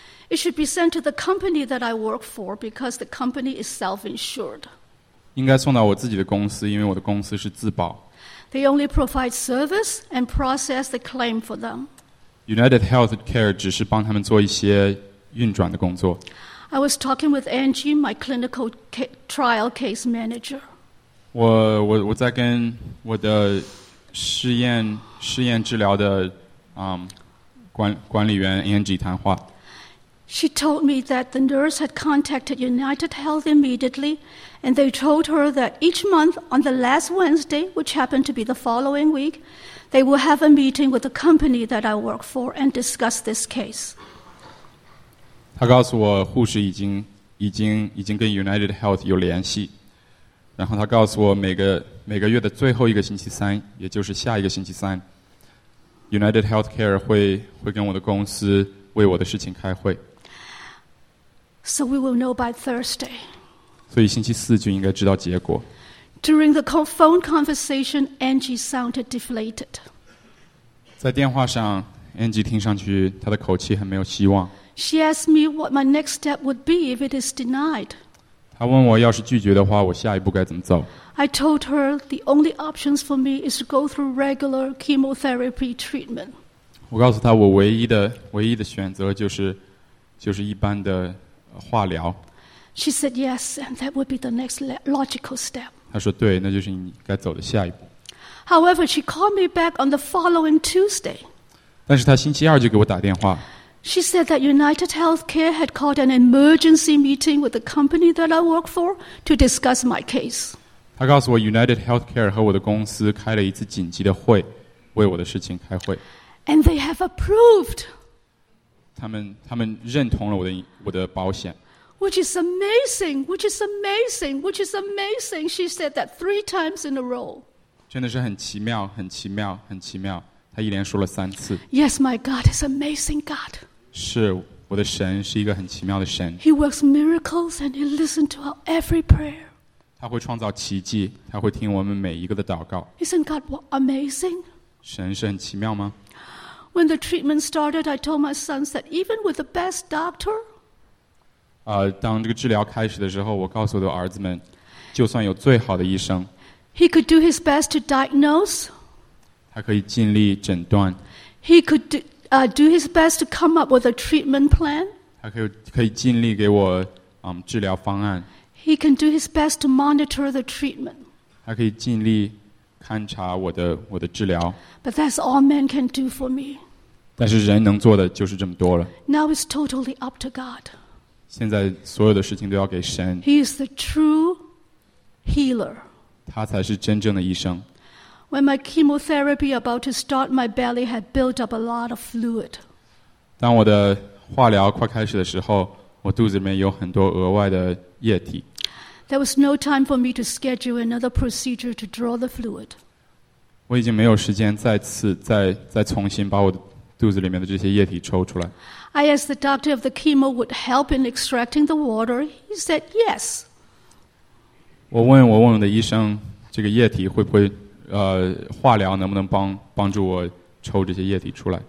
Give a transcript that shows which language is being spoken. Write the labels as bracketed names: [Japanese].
[English] It should be sent to the company that I work for because the company is self-insured. [Chinese] 应该送到我自己的公司，因为我的公司是自保。 [English] They only provide service and process the claim for them. [Chinese] United Healthcare 只是帮他们做一些运转的工作。 [English] I was talking with Angie, my clinical trial case manager. [Chinese] 我在跟我的试验治疗的管理员 Angie 谈话。 [English] She told me that the nurse had contacted United Health immediately, and they told her that each month on the last Wednesday, which happened to be the following week, they will have a meeting with the company that I work for and discuss this case. [Chinese] 她告诉我护士已经跟 United Health 有联系，然后她告诉我每个月的最后一个星期三，也就是下一个星期三， United Healthcare 会跟我的公司为我的事情开会。 [English] So we will know by Thursday. [Chinese] 所以星期四就应该知道结果。 [English] During the phone conversation, Angie sounded deflated. [Chinese] 在电话上 ，Angie 听上去她的口气很没有希望。 [English] She asked me what my next step would be if it is denied. [Chinese] 她问我要是拒绝的话，我下一步该怎么走 [English] ？I told her the only options for me is to go through regular chemotherapy treatment. [Chinese] 我告诉她我唯一的选择就是一般的。化疗。 [English] She said yes, and that would be the next logical step. [Chinese] 她说对，那就是你该走的下一步。 [English] However, she called me back on the following Tuesday. [Chinese] 但是她星期二就给我打电话。 [English] She said that United Healthcare had called an emergency meeting with the company that I work for to discuss my case. [Chinese] 她告诉我 United Healthcare 和我的公司开了一次紧急的会，为我的事情开会。 [English] And they have approved. [Chinese] 他们认同了我的保险。 [English] Which is amazing, she said that three times in a row. [Chinese] 真的是很奇妙，很奇妙，很奇妙。她一连说了三次。 [English] Yes, my God is amazing God. [Chinese] 是，我的神是一个很奇妙的神。 [English] He works miracles and he listens to our every prayer. [Chinese] 他会创造奇迹，他会听我们每一个的祷告。 [English] Isn't God amazing? [Chinese] 神是很奇妙吗？ [English] When the treatment started, I told my sons that even with the best doctor, [Chinese] 当这个治疗开始的时候，我告诉我的儿子们，就算有最好的医生 [English] ，he could do his best to diagnose. [Chinese] 他可以尽力诊断。 [English] He could do his best to come up with a treatment plan. [Chinese] 他可以尽力给我治疗方案。 [English] He can do his best to monitor the treatment. [Chinese] 他可以尽力。勘察我的治疗。 [English] But that's all man can do for me. [Chinese] 但是人能做的就是这么多了。 [English] Now it's totally up to God. [Chinese] 现在所有的事情都要给神。 [English] He is the true healer. [Chinese] 他才是真正的医生。 [English] When my chemotherapy about to start, my belly had built up a lot of fluid. [Chinese] 当我的化疗快开始的时候，我肚子里面有很多额外的液体。 [English] There was no time for me to schedule another procedure to draw the fluid. [Chinese] 我已经没有时间再重新把我肚子里面的这些液体抽出来。 [English] I asked the doctor if the chemo would help in extracting the water. He said yes. [Chinese] 我问我的医生，这个液体会不会化疗能不能帮助我抽这些液体出来